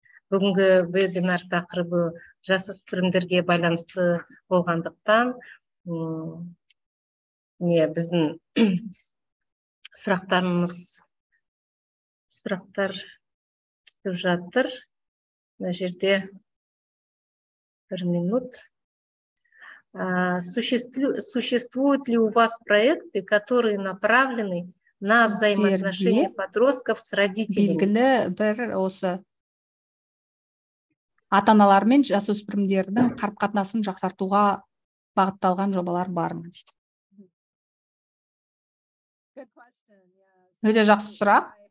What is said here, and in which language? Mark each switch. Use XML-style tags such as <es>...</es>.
<kk>Бүгінгі вебинар тақырыбы жасөспірімдерге байланысты болғандықтан, біздің сұрақтарымыз сұрақтар түсіп жатыр. Мына жерде бір минут.</kk> <ru>Существуют ли у вас проекты, которые направлены на взаимоотношения подростков с родителями?</ru> <kk>Ата-аналар мен жасөспірімдердің қарым-қатынасын жақсартуға бағытталған жобалар бар ма? Өте жақсы сұрақ.</kk>